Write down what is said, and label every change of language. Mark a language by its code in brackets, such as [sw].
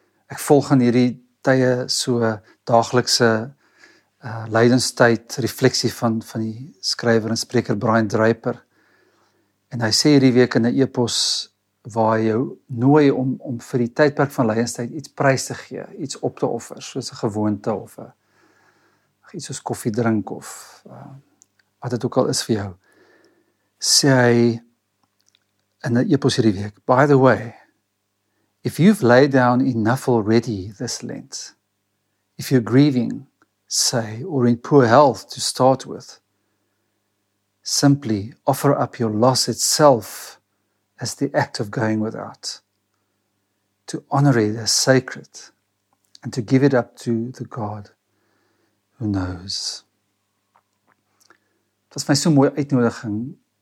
[af] Ek volg in hierdie tye so daaglikse lydenstyd refleksie van die skrywer en spreker Brian Draper. En hy sê hierdie week in 'n e-pos waar hy jou nooi om vir die tydperk van lydenstyd iets prys te gee, iets op te offer, soos 'n gewoonte of iets soos koffie drink of wat dit ook al is vir jou. Sê hy in 'n e-pos hierdie week: [en] "By the way, if you've laid down enough already this Lent, if you're grieving, say, or in poor health to start with, simply offer up your loss itself as the act of going without, to honor it as sacred, and to give it up to the God who knows." [af] Dit was my so mooi uitnodiging.